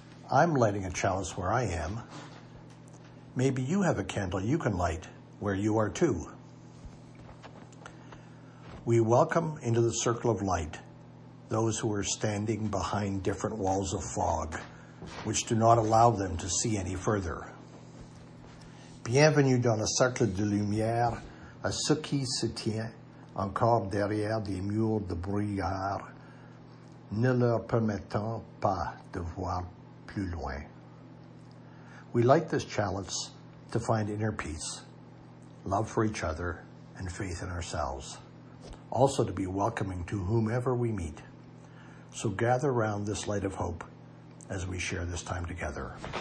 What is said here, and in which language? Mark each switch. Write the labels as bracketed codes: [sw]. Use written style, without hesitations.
[en] I'm lighting a chalice where I am. Maybe you have a candle you can light where you are too. We welcome into the circle of light those who are standing behind different walls of fog, which do not allow them to see any further. [fr] Bienvenue dans le cercle de lumière à ceux qui se tiennent encore derrière des murs de brouillard, ne leur permettant pas de voir plus loin. [en] We light this chalice to find inner peace, love for each other, and faith in ourselves. Also to be welcoming to whomever we meet. So gather around this light of hope as we share this time together.